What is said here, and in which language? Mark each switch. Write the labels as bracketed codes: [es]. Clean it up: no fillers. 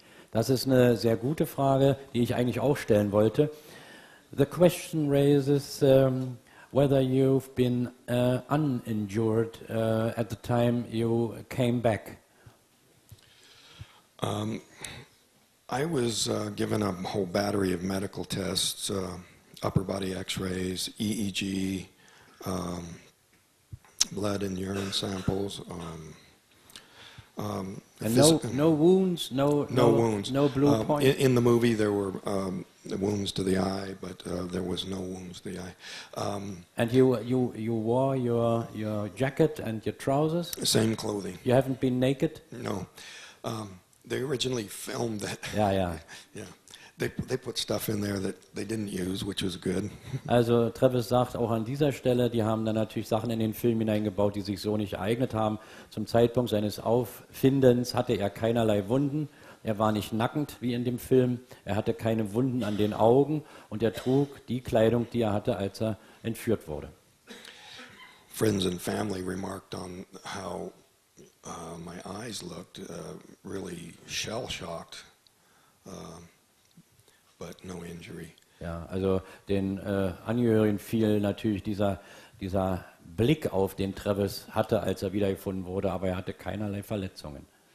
[de] Das ist eine sehr gute Frage, die ich eigentlich auch stellen wollte. [en] The question raises whether you've been uninjured at the time you came back. I was given a whole battery of medical tests, upper body x-rays, EEG, blood and urine samples. No wounds, no blue points. In the movie, there were wounds to the eye, but there was no wounds to the eye. And you wore your jacket and your trousers. Same clothing. You haven't been naked. No, they originally filmed that. Yeah, yeah, yeah. They put stuff in there that they didn't use, which was good. [de] Also Travis sagt auch an dieser Stelle, die haben dann natürlich Sachen in den Film hineingebaut, die sich so nicht eignet haben. Zum Zeitpunkt seines Auffindens hatte er keinerlei Wunden. Er war nicht nackend wie in dem Film. Er hatte keine Wunden an den Augen und er trug die Kleidung, die er hatte, als er entführt wurde. [en] Friends and family remarked on how my eyes looked really shell-shocked. but no injury. [de] Ja, also den Angehörigen fiel natürlich dieser Blick auf, den Travis hatte, als er wiedergefunden wurde, aber er hatte keinerlei Verletzungen.